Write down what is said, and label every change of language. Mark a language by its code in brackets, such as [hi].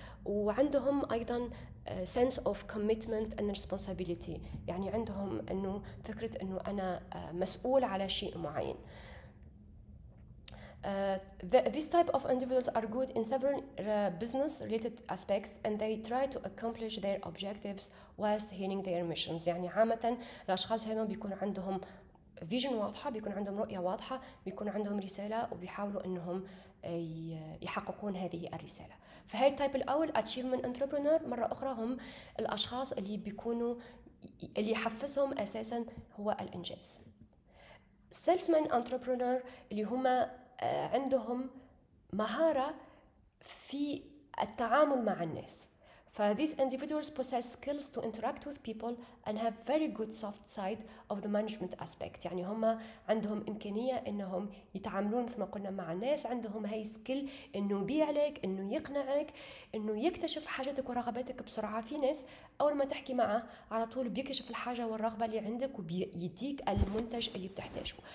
[ar] وعندهم أيضا [en] sense of commitment and responsibility، [ar] يعني عندهم إنه فكرة إنه أنا مسؤول على شيء معين. [en] These type of individuals are good in several business related aspects and they try to accomplish their objectives whilst hitting their missions. [ar] يعني عامة الأشخاص هذول بيكون عندهم vision واضحة، بيكون عندهم رؤية واضحة، بيكون عندهم رسالة وبيحاولوا إنهم يحققون هذه الرسالة. فهي التايب الأول [en] achievement entrepreneur. [ar] مرة أخرى هم الأشخاص اللي بيكونوا اللي يحفزهم أساسا هو الإنجاز. [en] salesman entrepreneur [ar] اللي هما عندهم مهارة في التعامل مع الناس. [en] فthese individuals possess skills to interact with people and have very good soft side of the management aspect. [ar] يعني هم عندهم إمكانية إنهم يتعاملون مثل ما قلنا مع الناس، عندهم [en] هاي سكيل [ar] إنه يبيع لك، إنه يقنعك، إنه يكتشف حاجتك ورغباتك بسرعة. في ناس أول ما تحكي معه على طول بيكشف الحاجة والرغبة اللي عندك وبيديك المنتج اللي بتحتاجه.